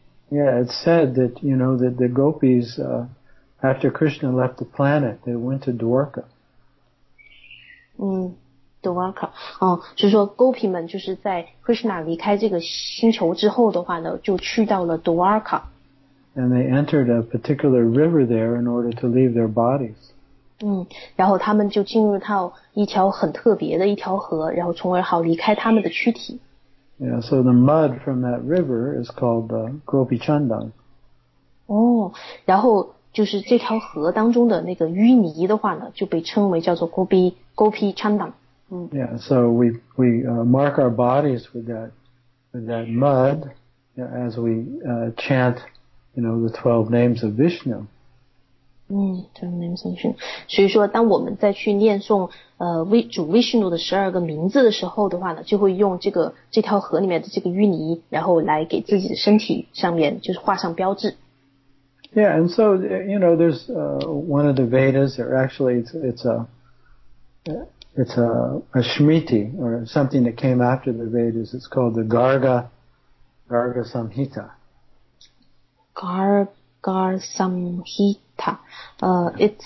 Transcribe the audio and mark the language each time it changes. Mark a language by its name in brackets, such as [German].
[English] Yeah, it's said that, you know, that the gopis... After Krishna left the planet, they went to Dwarka. [Chinese] Dwarka. 所以说 Gopi 们就是在 Krishna 离开这个星球之后的话呢，就去到了 Dwarka. [English] And they entered a particular river there in order to leave their bodies. [Chinese] 然后他们就进入到一条很特别的一条河，然后从而好离开他们的躯体。 [English] Yeah, so the mud from that river is called Gopi Chandan. [Chinese] 然后就是这条河当中的那个淤泥的话呢，就被称为叫做 Gopi Chandan. [English] Yeah, so we mark our bodies with that mud as we chant, you know, the 12 names of Vishnu. 12 names of Vishnu. [Chinese] 所以说当我们再去念诵主 Vishnu 的12个名字的时候的话呢，就会用这条河里面的这个淤泥然后来给自己的身体上面就是画上标志。 [English] Yeah, and so, you know, there's one of the Vedas, or actually it's a Shmiti, or something that came after the Vedas. It's called the Garga Samhita. Garga Samhita.